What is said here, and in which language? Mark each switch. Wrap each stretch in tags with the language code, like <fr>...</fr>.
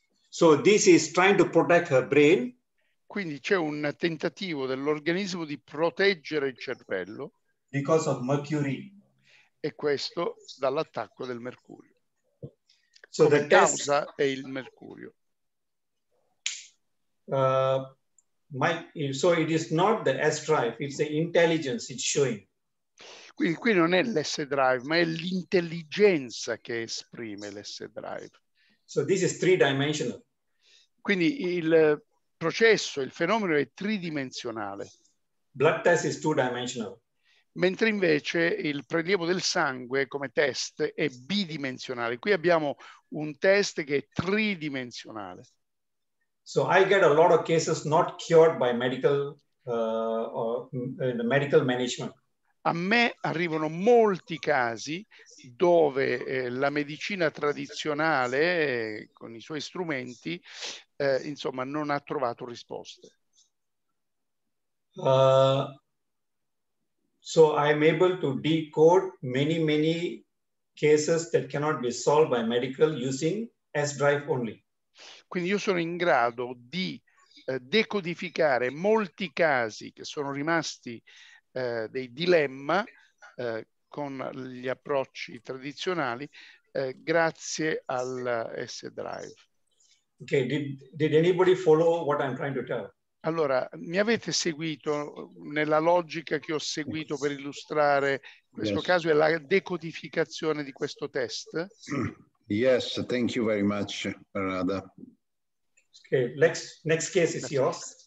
<en>So this is trying to protect her brain.</en> <it>Quindi c'è un tentativo dell'organismo di proteggere il cervello.</it> <en>Because of mercury.</en> <it>E questo dall'attacco del mercurio.</it> <en>So</en> <it>come the causa test, è il mercurio.</it> <en>So it is not the S drive, it's the intelligence it's showing.</en> <it>Quindi qui non è l'S drive, ma è l'intelligenza che esprime l'S drive.</it> <en>So this is three-dimensional.</en> <it>Quindi il processo, il fenomeno è tridimensionale.</it> <en>Blood test is two-dimensional.</en> <it>Mentre invece il prelievo del sangue come test è bidimensionale. Qui abbiamo un test che è tridimensionale.</it> <en>So I get a lot of cases not cured by medical the medical management.</en> <it>A me arrivano molti casi dove la medicina tradizionale, con i suoi strumenti, insomma, non ha trovato risposte.</it> <en>So I'm able to decode many, many cases that cannot be solved by medical using S-drive only.</en> <it>Quindi io sono in grado di decodificare molti casi che sono rimasti dei dilemma con gli approcci tradizionali grazie al S-Drive.</it> <en>Okay, did anybody follow what I'm trying to tell?</en> <it>Allora, mi avete seguito nella logica che ho seguito per illustrare questo caso e la decodificazione di questo test?</it> <en>Yes, thank you very much, Radha. Next case is yours.</en>